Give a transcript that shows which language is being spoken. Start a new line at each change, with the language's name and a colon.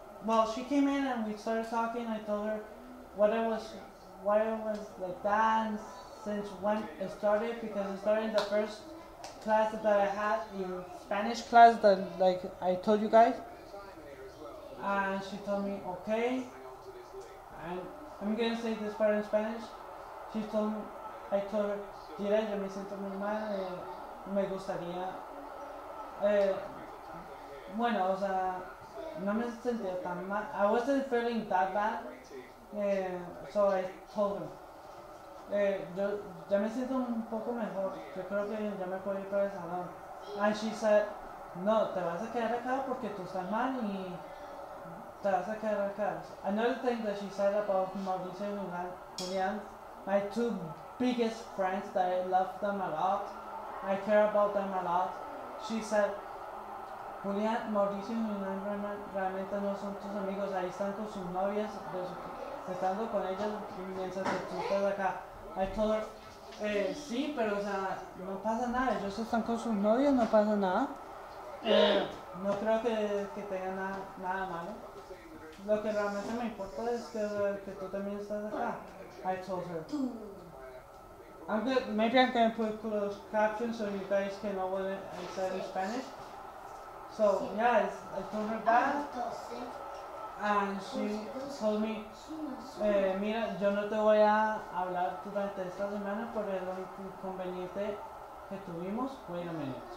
English: Well, she came in and we started talking. I told her why I was like that, and since when it started, because it started in the first class that I had in Spanish class that like I told you guys. And she told me, okay, and I'm going to say this part in Spanish. She told me, I told her,
Spanish: mira, yo me siento muy mal, me gustaría, bueno, o sea, no me sentía tan mal.
English: I wasn't feeling that bad, so I told her,
Spanish: yo ya me siento un poco mejor, yo creo que ya me puedo ir para el salón.
English: And she said,
Spanish: no, te vas a quedar acá porque tú estás mal y te vas a quedar acá.
English: Another thing that she said about Mauricio and Julián, my two biggest friends, that I love them a lot, I care about them a lot. She said,
Spanish: Julián, Mauricio y Julián realmente no son tus amigos, ahí están con sus novias, estando con ellas mientras tú estás acá.
English: I told her,
Spanish: sí, pero o sea, no pasa nada, ellos están con sus novias, no pasa nada. No creo que tenga nada malo. Lo que realmente me importa es que tú también estás acá.
English: I told her. Maybe I'm going to put closed captions so you guys can know what I said in Spanish. So, yeah, I told her that. And she told me,
Spanish: mira, yo no te voy a hablar durante esta semana por el inconveniente que tuvimos.
English: Wait a minute.